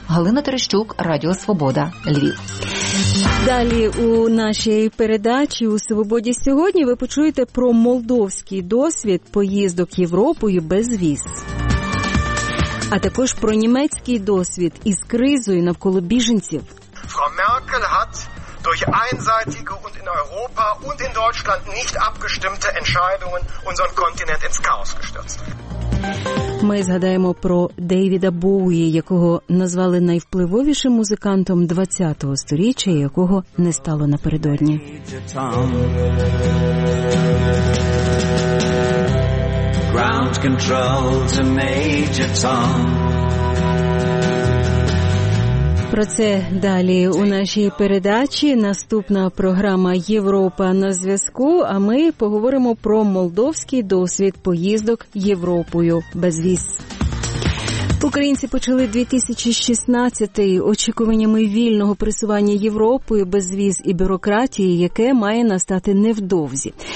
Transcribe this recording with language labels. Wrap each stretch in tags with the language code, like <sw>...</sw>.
<uk>Галина Терещук, Радіо Свобода, Львів. Далі у нашій передачі «У Свободі сьогодні» ви почуєте про молдовський досвід поїздок Європою без віз. А також про німецький досвід із кризою навколо біженців.</uk> <de>Frau Merkel hat durch einseitige und in Europa und in Deutschland nicht abgestimmte Entscheidungen unseren Kontinent ins Chaos gestürzt.</de> <uk>Ми згадаємо про Дейвіда Боуї, якого назвали найвпливовішим музикантом 20-го сторіччя, якого не стало напередодні.</uk> <en>Ground control to Major Tom.</en> <uk>Про це далі у нашій передачі. Наступна програма «Європа на зв'язку», а ми поговоримо про молдовський досвід поїздок Європою без віз. Українці почали 2016-й очікуваннями вільного пересування Європою без віз і бюрократії, яке має настати невдовзі.</uk>